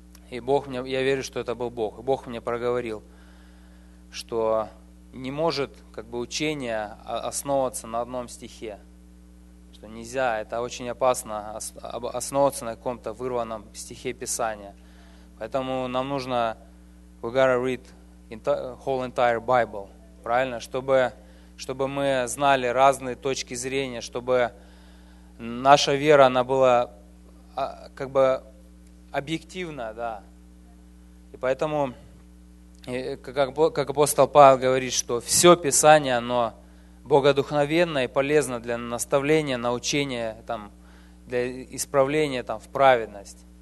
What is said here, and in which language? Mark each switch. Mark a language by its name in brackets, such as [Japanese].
[Russian] И Бог мне, я верю, что это был Бог, и Бог мне проговорил, что не может как бы учение основываться на одном стихе. Что нельзя, это очень опасно основываться на каком-то вырванном стихе Писания. Поэтому нам нужно, [English] we gotta read whole entire Bible, [Russian] правильно? Чтобы мы знали разные точки зрения, чтобы наша вера, она была как бы объективна, да. И поэтому, как апостол Павел говорит, что все Писание, оно богодухновенно и полезно для наставления, научения, там, для исправления там, в праведность.